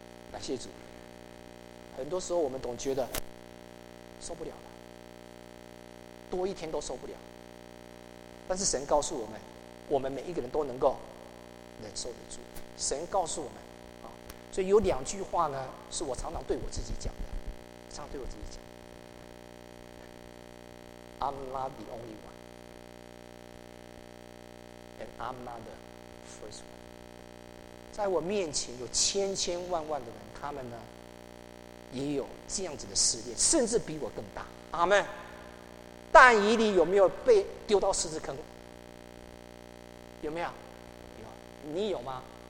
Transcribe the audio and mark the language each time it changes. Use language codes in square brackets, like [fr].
[zh] 感谢主，很多时候我们总觉得受不了了，多一天都受不了，但是神告诉我们，我们每一个人都能够忍受得住。神告诉我们啊，所以有两句话呢，是我常常对我自己讲的，常常对我自己讲。 [en] I'm not the only one, and I'm not the first one. [zh] 在我面前有千千万万的人，他们呢也有这样子的试炼，甚至比我更大。阿们。但以理有没有被丢到狮子坑？有没有？有。你有吗？